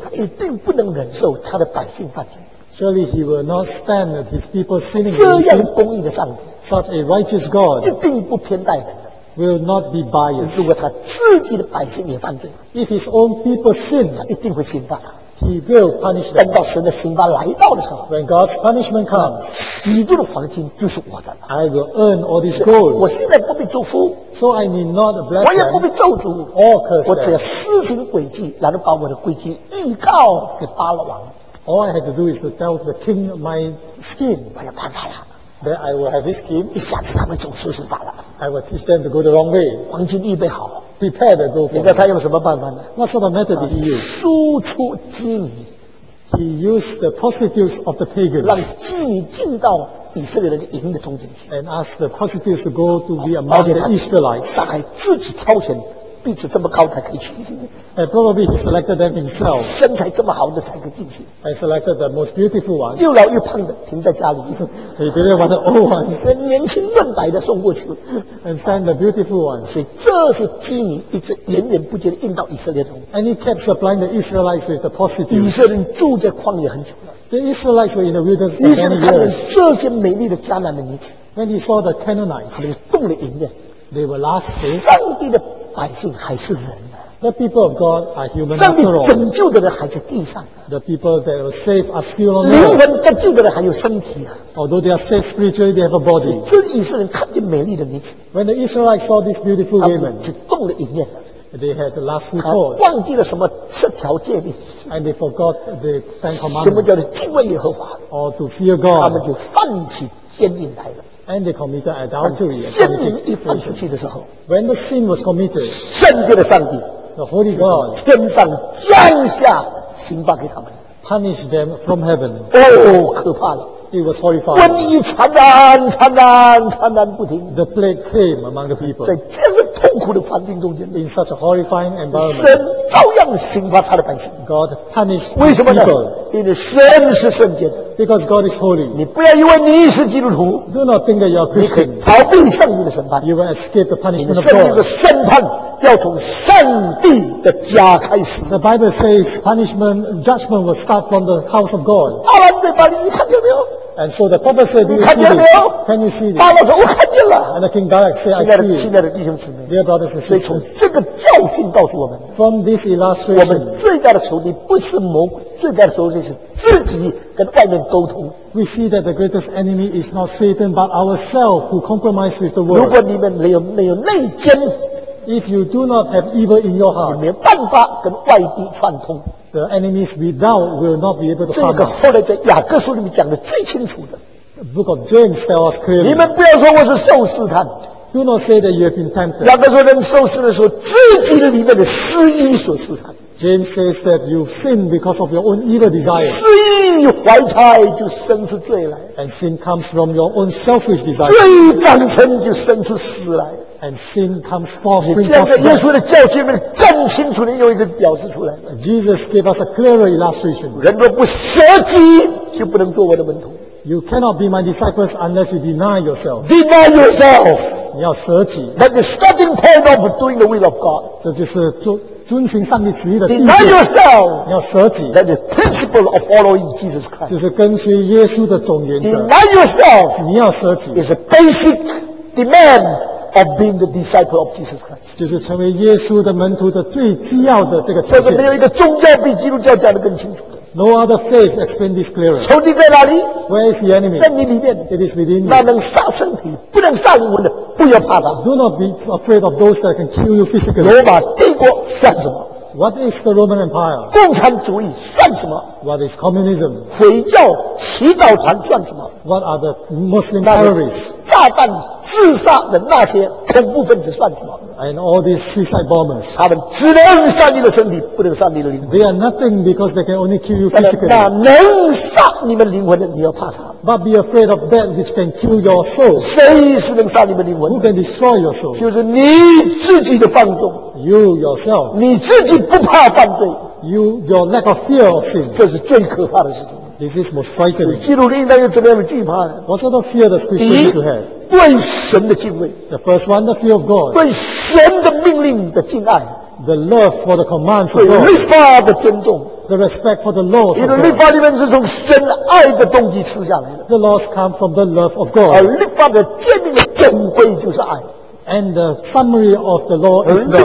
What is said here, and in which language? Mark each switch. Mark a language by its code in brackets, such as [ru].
[zh] 他一定不能忍受他的百姓犯罪。 [en] Surely he will not stand at his people sinning. [zh] 这样公义的上帝 [en] ，such a righteous God, [zh] 一定不偏待人。 [en] Will not be biased. [zh] 如果他自己的百姓也犯罪 [en] ，if his own people sin, [zh] 他一定会刑罚他。 [en] He will punish them. [zh] 等到神的刑罚来到的时候 [en] ，when God's punishment comes, [zh] 许多的黄金就是我的了。 [en] I will earn all this gold. [zh] 我现在不必祝福 [en] ，so I need not a blessing. [zh] 我也不必咒诅 [en] ，or curse. [zh] 我只要施行诡计，然后把我的诡计预告给巴勒王。 [en] All I had to do is to tell the king my scheme. [zh] 我有办法了。 [en] Then I will have this scheme. [zh] 一下子他们就出事法了。 [en] I will teach them to go the wrong way. [zh] 黄金预备好。 [en] Prepare the gold. [zh] 你看他用什么办法呢 [en] ？What sort of method did he use? [zh] 输出妓女。 [en] He used the prostitutes of the pagans. [zh] 让妓女进到以色列人的营的中间去。 [en] And ask the prostitutes to go to be among the Israelites. [zh] 大概自己挑选，壁纸这么高才可以去。 [en] And probably he selected them himself. [zh] 身材这么好的才可以进去。 [en] And selected the most beautiful ones. [zh] 又老又胖的停在家里。 [en] He didn't want the old ones. [zh] 年轻嫩白的送过去。 [en] And send the beautiful ones. [zh] 所以这是妓女一直源源不绝地运到以色列中。 [en] And he kept supplying the Israelites with the prostitutes. [zh] 以色列人住在旷野很久了。 [en] The Israelites were in the wilderness for many years. [zh] 以色列人看到这些美丽的迦南的女子。 [en] When he saw the Canaanites, [zh] 他们动了淫念。 [en] They were lusty. [zh] 上帝的百姓还是人。 [en] The people of God are human. [zh] 上帝拯救的人还在地上。 [en] The people that are saved are still on earth. [zh] 灵魂得救的人还有身体啊。 [en] Although they are saved spiritually, they have a body. [zh] 这以色列人看见美丽的女子。 [en] When the Israelites saw this beautiful woman, [zh] 他们就动了一念。 [en] They had the lustful thoughts. [zh] 他忘记了什么十条诫命。 [en] And they forgot the Ten Commandments. [zh] 什么叫做敬畏耶和华。 [en] Or to fear God. [zh] 他们就放弃奸淫来了。 [en] And they committed adultery. [zh] 奸淫一放出去的时候。 [en] When the sin was committed. [zh] 圣洁的上帝。 [en] The Holy God, [zh] 天上降下刑罚给他们 [en] ，punish them from heaven. [zh] 哦，可怕了 [en] ！It was horrifying. [zh] 瘟疫传染，传染，传染不停。 [en] The plague came among the people. [zh] 在这个痛苦的环境中间 [en] ，in such a horrifying environment, [zh] 神照样刑罚他的百姓。 [en] God punished people. [zh] 为什么呢？因为神是圣洁的。 [en] Because God is holy. [zh] 你不要以为你是基督徒 [en] ，do not think that you are Christian. [zh] 你可以逃避上帝的审判。 [en] You will escape the punishment of God. [zh] 你的审判。要从上帝的家开始。 [en] The Bible says punishment, judgment will start from the house of God. [zh] 巴兰在巴黎，你看见没有 [en] ？And so the prophet said, [zh] 你看见没有 [en] ？Can you see? [zh] 巴兰说，我看见了。 [en] And the king God said, I see. [zh] 亲爱的弟兄姊妹 [en] ，Dear brothers and sisters, [zh] 从这个教训告诉我们 [en] ，From this illustration, [zh] 我们最大的仇敌不是魔鬼，最大的仇敌是自己跟外面沟通。 [en] We see that the greatest enemy is not Satan, but ourselves who compromise with the world. [zh] 如果你们没有内奸。 [en] If you do not have evil in your heart, [zh] 你没办法跟外地串通。 [en] The enemies without will not be able to harm. [zh] 这个后来在雅各书里面讲的最清楚的。 [en] The book of James tells us clearly. [zh] 你们不要说我是受试探。 [en] Do not say that you have been tempted. [zh] 雅各说人受试的时候，自己的里面的私欲所试探。 [en] James says that you sin because of your own evil desire. [zh] 私欲怀胎就生出罪来。 [en] And sin comes from your own selfish desire. [zh] 罪长成就生出死来。 [en] And sin comes forth. [zh] 这样在耶稣的教训里面更清楚地用一个表示出来。 [en] Jesus gave us a clearer illustration. [zh] 人若不舍己，就不能做我的门徒。 [en] You cannot be my disciples unless you deny yourself. Deny yourself. [zh] 你要舍己。 [en] That's the starting point of doing the will of God. [zh] 这就是遵循上帝旨意的第一步。 [en] Deny yourself. [zh] 你要舍己。 [en] That's the principle of following Jesus Christ. [zh] 就是跟随耶稣的总原则。 [en] Deny yourself. [zh] 你要舍己。 [en] It's a basic demand. Of being the disciple of Jesus Christ, [zh] 就是成为耶稣的门徒的最基要的这个条件。这是没有一个宗教比基督教讲得更清楚的。 [en] No other faith explains this clearer. [zh] 仇敌在哪里 [en] ？Where is the enemy? [zh] 在你里面。 [en] It is within you. [zh] 那能杀身体，不能杀灵魂的，不要怕他。 [en] Do not be afraid of those that can kill you physically. [zh] 罗马帝国算什么 [en] ？What is the Roman Empire? [zh] 共产主义算什么 [en] ？What is communism? [zh] 回教祈祷团算什么 [en] ？What are the Muslim terrorists? [zh] 炸弹自杀的那些恐怖分子算什么 [en] ？And all these suicide bombers， [zh] 他们只能杀你的身体，不能杀你的灵魂。 [en] They are nothing because they can only kill you physically。 [zh] 那能杀你们灵魂的，你要怕他 [en] ？But be afraid of that which can kill your soul。 [zh] 谁是能杀你们灵魂 [en] ？Who can destroy your soul？ [zh] 就是你自己的放纵 [en] ，You yourself。 [zh] 你自己不怕犯罪 [en] ，You your lack of fear of sin。 [zh] 这是最可怕的事情。 [en] This is most frightening. [zh] 基督徒应该有怎么样的惧怕呢 [en] ？What sort of fear does Christian need to have? [zh] 对神的敬畏。 [en] The first one, the fear of God. [zh] 对神的命令的敬爱。 [en] The love for the commands of God. [zh] 对律法的尊重。 [en] The respect for the laws. [zh] 因为律法里面是从神爱的动机赐下来的。 [en] The laws come from the love of God. [zh] 而律法的诫命的总归就是爱。 [en] And the summary of the law is love.